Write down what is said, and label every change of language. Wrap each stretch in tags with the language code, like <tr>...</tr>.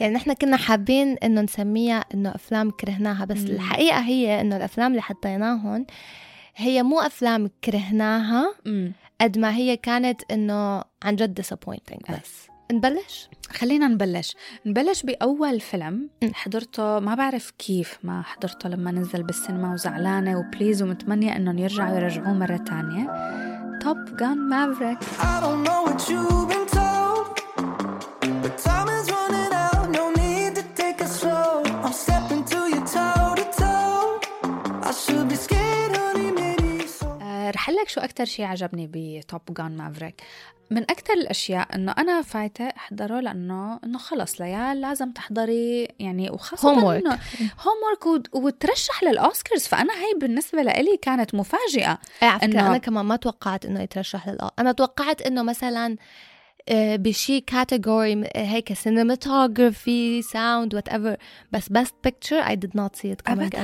<ar>يعني نحن كنا حابين إنه نسميها إنه أفلام كرهناها، بس الحقيقة هي إنه الأفلام اللي حطيناهن هي مو أفلام كرهناها قد ما هي كانت إنه عن جد disappointing. بس نبلش؟ خلينا نبلش. نبلش بأول فيلم حضرته، ما بعرف كيف ما حضرته لما نزل بالسينما وزعلانة وبليز ومتمنية إنه يرجعوا يرجعوه مرة تانية، Top Gun Maverick.</ar> <en>I don't know what you've been told, but time is running out, no need to take it slow. I'm stepping to your toe to toe. I should be scared, honey, maybe so.</en> <ar>رح أقول لك شو أكتر شيء عجبني ب Top Gun Maverick. من أكتر الأشياء إنه أنا فايتة أحضره لأنه خلص ليال لازم تحضري، يعني وخاصة</ar> <en>homework.</en> <ar>إنه homework وترشح للأوسكارز، فأنا هاي بالنسبة لي كانت مفاجئة. إنه أنا كمان ما توقعت إنه يترشح للأوسكارز، أنا توقعت إنه مثلاً بشي كاتيجوري هيك</ar> <en>cinematography sound whatever،</en> <ar>بس</ar> <en>best picture I did not see it coming</en>